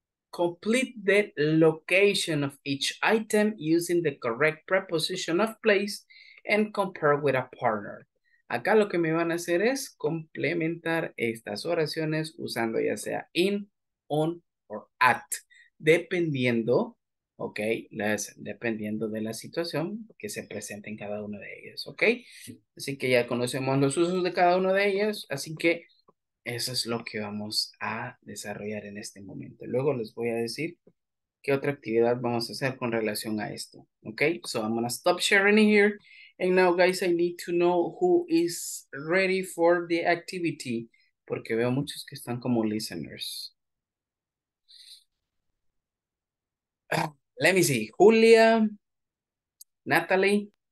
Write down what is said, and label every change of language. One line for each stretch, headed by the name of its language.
English: Complete the location of each item using the correct preposition of place and compare with a partner.
Spanish: Acá lo que me van a hacer es complementar estas oraciones usando ya sea in, on, or at, dependiendo, ok, dependiendo de la situación que se presente en cada una de ellas, ok. Así que ya conocemos los usos de cada una de ellas, así que eso es lo que vamos a desarrollar en este momento. Luego les voy a decir qué otra actividad vamos a hacer con relación a esto, ok.
English: So I'm gonna stop sharing here. And now, guys, I need to know who is ready for the activity.
Spanish: Porque veo muchos que están como listeners.
English: Let me see. Julia. Natalie.